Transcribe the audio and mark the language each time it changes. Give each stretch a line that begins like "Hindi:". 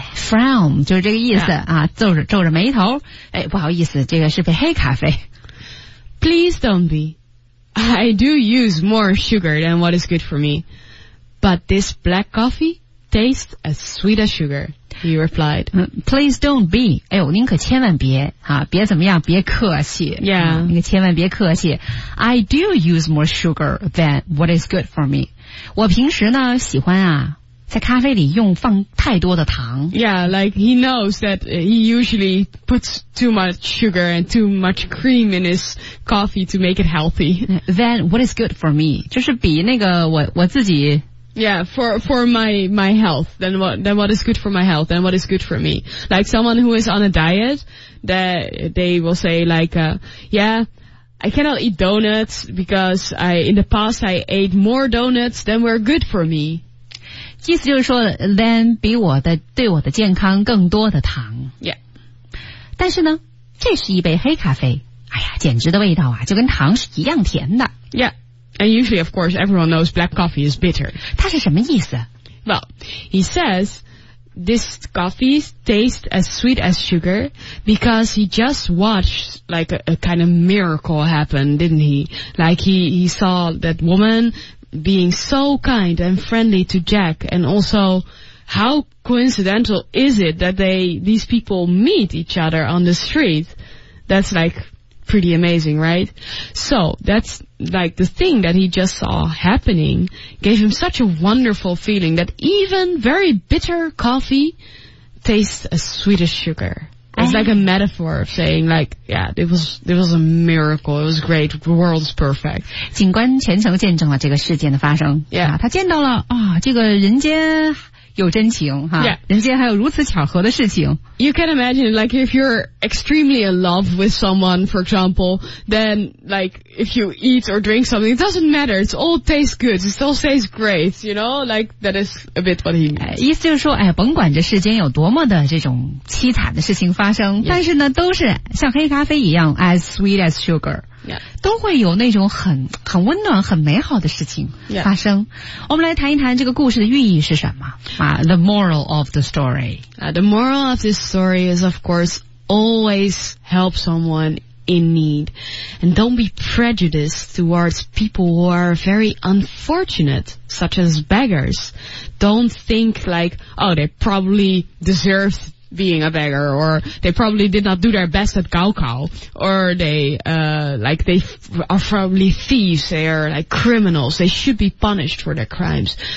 Chinese: Frown 就是这个意思、yeah. 皱着眉头不好意思这个是杯黑咖啡
English: Please don't be. I do use more sugar than what is good for me. But this black coffee tastes as sweet as sugar, he replied. Please don't be.
Chinese: 哎呦您可千万别别怎么样别客气。
English: Yeah.
Chinese: 您可千万别客气。
English: I do use more sugar than what is good for me.
Chinese: 我平时呢喜欢啊在咖啡里用放太多的糖。
English: Yeah, like he knows that he usually puts too much sugar and too much cream in his coffee to make it healthy. Then what is good for me?
Chinese: 就是比那个我自己。
English: Yeah, for my health. Then what is good for my health? Then what is good for me? Like someone who is on a diet, that they will say like, yeah, I cannot eat donuts because in the past I ate more donuts than were good for me.
Chinese: 意思就是说 then 比我的对我的健康更多的糖。
English: Yeah.
Chinese: 但是呢这是一杯黑咖啡。哎呀简直的味道啊就跟糖是一样甜的。
English: Yeah. And usually, of course, everyone knows black coffee is bitter.
Chinese: 它是什么意思?
English: Well, he says this coffee tastes as sweet as sugar because he just watched like a kind of miracle happen, didn't he? Like he saw that woman being so kind and friendly to Jack. And also, how coincidental is it that these people meet each other on the street? That's like... pretty amazing, right? So, that's like the thing that he just saw happening gave him such a wonderful feeling that even very bitter coffee tastes as sweet as sugar. It's like a metaphor of saying like, yeah, it was a miracle. It was great. The world's perfect.
Chinese: 警官全程见证了这个事件的发生。
English: Yeah.
Chinese: 他见到了、哦、这个人间有真情哈、
English: yeah.
Chinese: 人间还有如此巧合的事情。
English: You can imagine, like, if you're extremely in love with someone, for example, then, like, if you eat or drink something, it doesn't matter. It's all tastes good. It still tastes great, you know? Like, that is a bit what he means.
Chinese: 意思就是说哎甭管这世间有多么的这种凄惨的事情发生、
English: yeah.
Chinese: 但是呢都是像黑咖啡一样
English: as sweet as sugar. Yeah.
Chinese: 都会有那种很温暖很美好的事情发生、
English: yeah.
Chinese: 我们来谈一谈这个故事的寓意是什么、
English: The moral of the story、 The moral of this story is of course always help someone in need and don't be prejudiced towards people who are very unfortunate such as beggars. Don't think like oh they probably deserveBeing a beggar, or they probably did not do their best at Gaokao, or they are probably thieves, they are like criminals, they should be punished for their crimes.